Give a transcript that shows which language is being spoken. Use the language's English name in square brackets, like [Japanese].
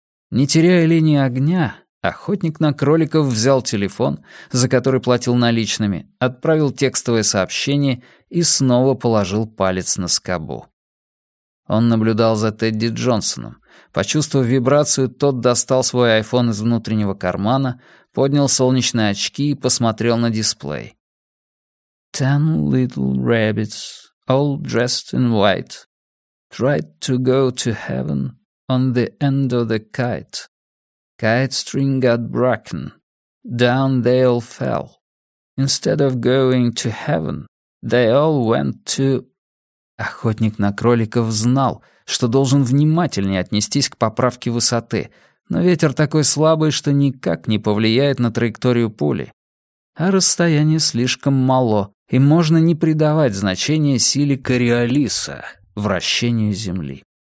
[Russian] Не теряя линии огня, охотник на кроликов взял телефон, за который платил наличными, отправил текстовое сообщение и снова положил палец на скобу. Он наблюдал за Тедди Джонсоном. Почувствовав вибрацию, тот достал свой айфон из внутреннего кармана, поднял солнечные очки и посмотрел на дисплей. [English] 10 little rabbits, all dressed in white, tried to go to heaven on the end of the kite. Kite string got broken, down they all fell. Instead of going to heaven, they all went to... [Russian] Охотник на кроликов знал, что должен внимательнее отнестись к поправке высоты, но ветер такой слабый, что никак не повлияет на траекторию пули. А расстояние слишком мало, и можно не придавать значения силе Кориолиса, вращению Земли.